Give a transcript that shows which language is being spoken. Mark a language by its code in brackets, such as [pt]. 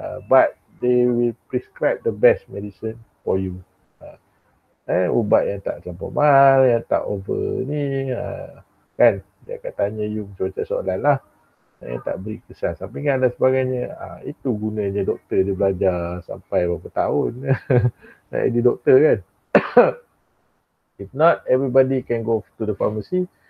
[en] But they will prescribe the best medicine for you. [ms] Ubat yang tak campur mal, yang tak over ni. Kan? Dia akan tanya you macam-macam soalan lah. Tak beri kesan sampingan dan sebagainya. Itu gunanya doktor dia belajar sampai berapa tahun. Nak jadi doktor kan? [en] If not, everybody can go to the pharmacy.